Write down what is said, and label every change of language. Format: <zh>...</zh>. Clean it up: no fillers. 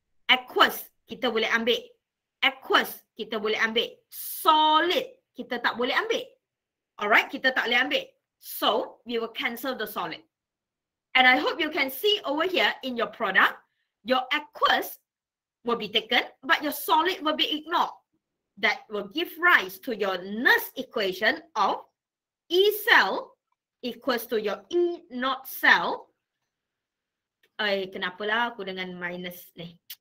<ms>Aqueous, kita boleh ambil. Aqueous, kita boleh ambil. Solid, kita tak boleh ambil.</ms> <en>Alright,</en> <ms>kita tak boleh ambil.</ms> <en>So, we will cancel the solid. And I hope you can see over here in your product, your aqueous will be taken, but your solid will be ignored. That will give rise to your Nernst equation of E cell equals to your E not cell.</en> <ms>Kenapalah aku dengan minus ni.</ms>